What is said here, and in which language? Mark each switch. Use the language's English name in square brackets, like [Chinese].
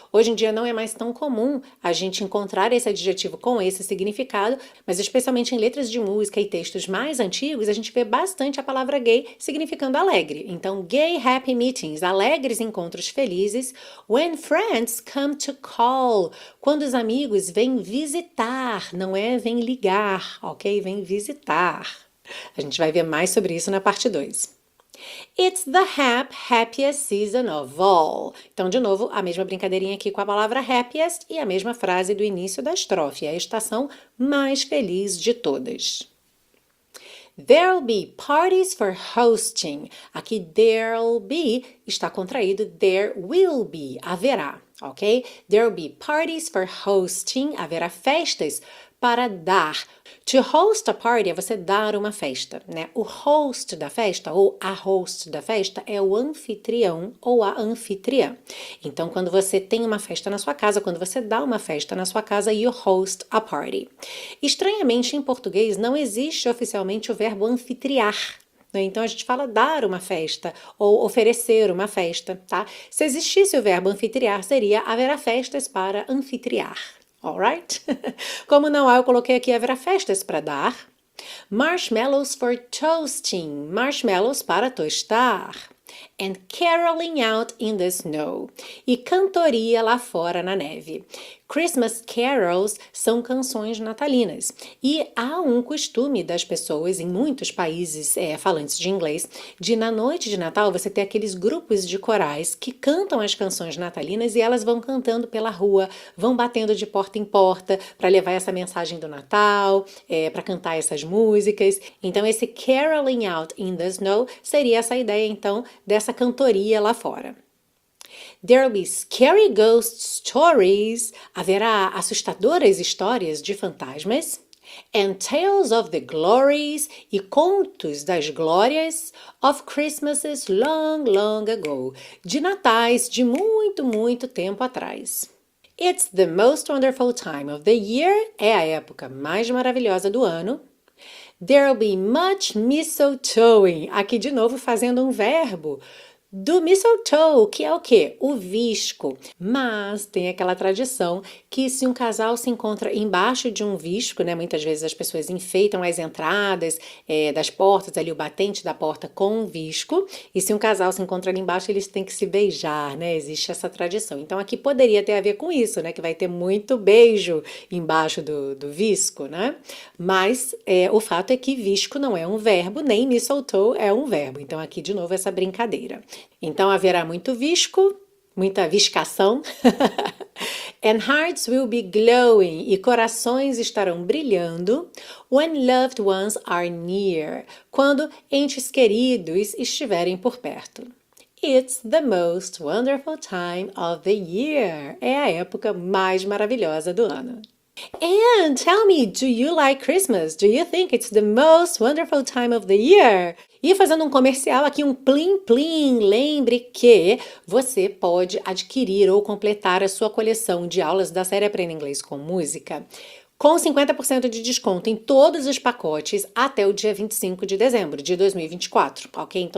[Portuguese] Hoje em dia não é mais tão comum a gente encontrar esse adjetivo com esse significado, mas especialmente em letras de música e textos mais antigos, a gente vê bastante a palavra gay significando alegre. Então, [English] gay happy meetings, [Portuguese] alegres encontros felizes. [English] When friends come to call, [Portuguese] quando os amigos vêm visitar, não é vêm ligar. Ok, vem visitar. A gente vai ver mais sobre isso na parte 2. [English] It's the happiest season of all. [Portuguese] Então, de novo, a mesma brincadeirinha aqui com a palavra happiest e a mesma frase do início da estrofe, a estação mais feliz de todas. [English] There'll be parties for hosting. [Portuguese] Aqui, there'll be está contraído, there will be, haverá, ok? [English] There'll be parties for hosting, [Portuguese] haverá festas para dar. [English] To host a party [Portuguese] é você dar uma festa, né? O host da festa ou a host da festa é o anfitrião ou a anfitriã. Então, quando você tem uma festa na sua casa, quando você dá uma festa na sua casa, [English] you host a party. [Portuguese] Estranhamente, em português não existe oficialmente o verbo anfitriar, né? Então, a gente fala dar uma festa ou oferecer uma festa, tá? Se existisse o verbo anfitriar, seria haverá festas para anfitriar. Alright? Como não há, eu coloquei aqui haverá festas para dar. [English] Marshmallows for toasting. [Portuguese] Marshmallows para tostar. [English] And caroling out in the snow. [Portuguese] E cantoria lá fora na neve. Christmas carols são canções natalinas. E há um costume das pessoas, em muitos países falantes de inglês, de na noite de Natal você ter aqueles grupos de corais que cantam as canções natalinas e elas vão cantando pela rua, vão batendo de porta em porta para levar essa mensagem do Natal, para cantar essas músicas. Então, esse [English] caroling out in the snow [Portuguese] seria essa ideia, então, dessa cantoria lá fora. [English] There'll be scary ghost stories. [Portuguese] Haverá assustadoras histórias de fantasmas. [English] And tales of the glories. [Portuguese] E contos das glórias [English] of Christmases long, long ago. [Portuguese] De natais de muito, muito tempo atrás. [English] It's the most wonderful time of the year. [Portuguese] É a época mais maravilhosa do ano. [English] There'll be much mistletoeing. [Portuguese] Aqui de novo fazendo um verbo. Do mistletoe, que é o quê? O visco. Mas tem aquela tradição que se um casal se encontra embaixo de um visco, né? Muitas vezes as pessoas enfeitam as entradas das portas, ali o batente da porta com um visco. E se um casal se encontra ali embaixo, eles têm que se beijar, né? Existe essa tradição. Então aqui poderia ter a ver com isso, né? Que vai ter muito beijo embaixo do visco, né? Mas o fato é que visco não é um verbo, nem mistletoe é um verbo. Então aqui de novo essa brincadeira. Então haverá muito visco, muita viscação. [English] And hearts will be glowing. [Portuguese] E corações estarão brilhando. [English] When loved ones are near. [Portuguese] Quando entes queridos estiverem por perto. [English] It's the most wonderful time of the year. [Portuguese] É a época mais maravilhosa do ano. [English] And tell me, do you like Christmas? Do you think it's the most wonderful time of the year? [Portuguese] E fazendo um comercial aqui, um plim plim, lembre que você pode adquirir ou completar a sua coleção de aulas da série Aprenda Inglês com Música com 50% de desconto em todos os pacotes até o dia 25 de dezembro de 2024, ok?